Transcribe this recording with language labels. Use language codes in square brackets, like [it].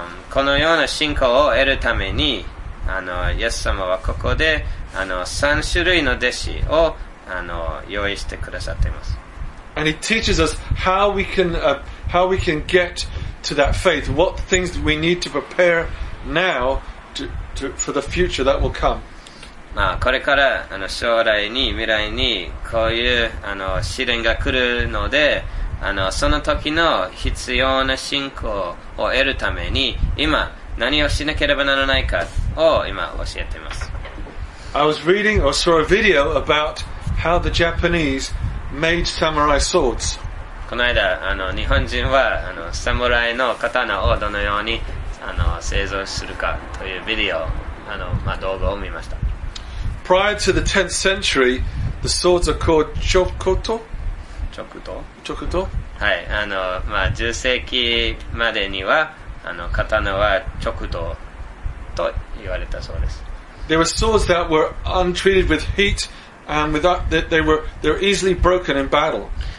[ja] このような信仰を得るために、イエス様はここで、三種類の弟子を、用意してくださっています。 [en] And he teaches us how we can get to that faith, what things we need to prepare now for the future that will come. [ja] これから将来に未来にこういう試練が来るので、その時の必要な信仰を得るために今何をしなければならないかを今教えています。 [en] I was reading or saw a video about how the Japanese made samurai swords. [ja] この間日本人は侍の刀をどのように製造するかというビデオ動画を見ました。 [en] Prior to the 10th century, the swords are called chokuto. Chokuto. Chokuto. [ja] はい、10世紀までには刀はチョクトと言われたそうです。 [en] There were swords that were untreated with heat, and without that, they were easily broken in battle.